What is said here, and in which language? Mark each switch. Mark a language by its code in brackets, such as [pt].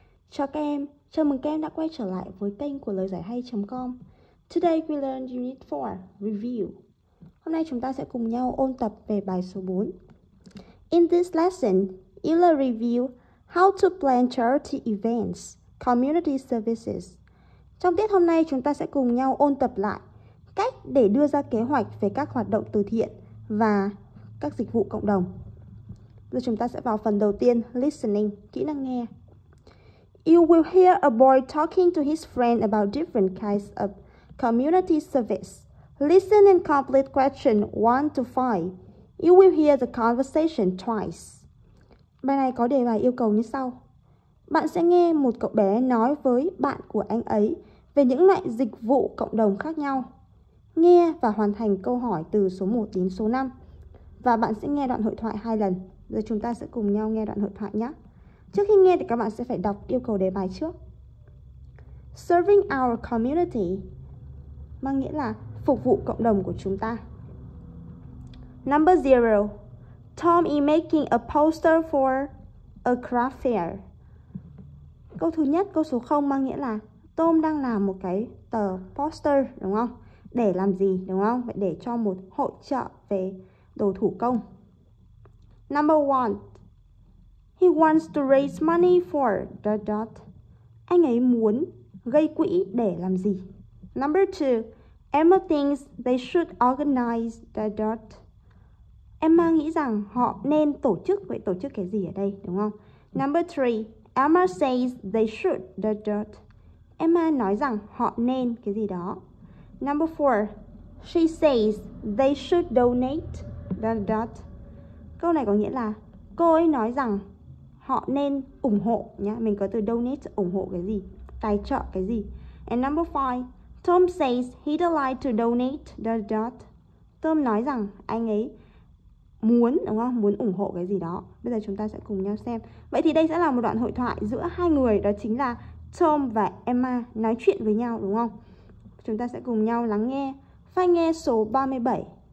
[vi] Chào các em, chào mừng các em đã quay trở lại với kênh của lời giải hay.com. [en] Today we learn unit 4, review. [vi] Hôm nay chúng ta sẽ cùng nhau ôn tập về bài số 4. [en] In this lesson, you'll review how to plan charity events, community services. [vi] Trong tiết hôm nay chúng ta sẽ cùng nhau ôn tập lại cách để đưa ra kế hoạch về các hoạt động từ thiện và các dịch vụ cộng đồng. Rồi chúng ta sẽ vào phần đầu tiên, listening, kỹ năng nghe. [en] You will hear a boy talking to his friend about different kinds of community service. Listen and complete question 1 to 5. You will hear the conversation twice. [vi] Bài này có đề bài yêu cầu như sau. Bạn sẽ nghe một cậu bé nói với bạn của anh ấy về những loại dịch vụ cộng đồng khác nhau. Nghe và hoàn thành câu hỏi từ số 1 đến số 5. Và bạn sẽ nghe đoạn hội thoại 2 lần. Rồi chúng ta sẽ cùng nhau nghe đoạn hội thoại nhé. Trước khi nghe thì các bạn sẽ phải đọc yêu cầu đề bài trước. [en] Serving our community [vi] mang nghĩa là phục vụ cộng đồng của chúng ta. [en] Number 0. Tom is making a poster for a craft fair. [vi] Câu thứ nhất, câu số 0 mang nghĩa là Tom đang làm một cái tờ poster, đúng không? Để làm gì, đúng không? Để cho một hội chợ về đồ thủ công. [en] Number 1. He wants to raise money for the dot. [vi] Anh ấy muốn gây quỹ để làm gì? [en] Number 2. Emma thinks they should organize the dot. [vi] Emma nghĩ rằng họ nên tổ chức, vậy tổ chức cái gì ở đây, đúng không? [en] Number 3. Emma says they should the dot. [vi] Emma nói rằng họ nên cái gì đó. [en] Number 4. She says they should donate the dot. [vi] Câu này có nghĩa là cô ấy nói rằng họ nên ủng hộ nhá. Mình có từ donate, ủng hộ cái gì, tài trợ cái gì. [en] And number 5, Tom says he'd like to donate the dot. [vi] Tom nói rằng anh ấy muốn, đúng không, muốn ủng hộ cái gì đó. Bây giờ chúng ta sẽ cùng nhau xem. Vậy thì đây sẽ là một đoạn hội thoại giữa hai người, đó chính là Tom và Emma nói chuyện với nhau, đúng không? Chúng ta sẽ cùng nhau lắng nghe file nghe số 37.